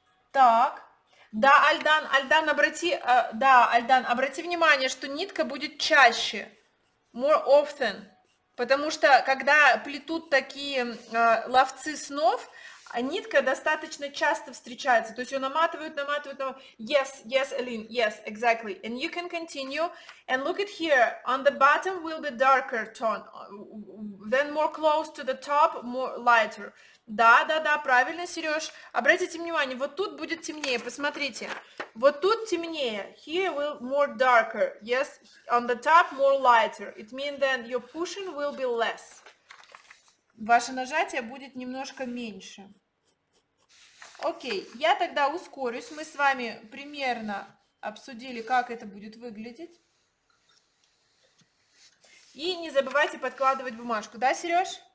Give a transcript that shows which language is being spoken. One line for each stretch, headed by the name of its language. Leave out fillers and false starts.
Russian: Так, да, Альдан, обрати внимание, что нитка будет чаще,
English: more often.
Russian: Потому что, когда плетут такие ловцы снов, нитка достаточно часто встречается. То есть, ее наматывают.
English: Yes, Aline, yes, exactly. And you can continue. And look at here, on the bottom will be darker tone. Then more close to the top, more lighter.
Russian: Да, правильно, Сереж. Обратите внимание, вот тут будет темнее, посмотрите. Вот тут темнее.
English: Here will more darker. Yes, on the top more lighter. It means then your pushing will be less.
Russian: Ваше нажатие будет немножко меньше. Окей, я тогда ускорюсь. Мы с вами примерно обсудили, как это будет выглядеть. И не забывайте подкладывать бумажку, да, Сереж?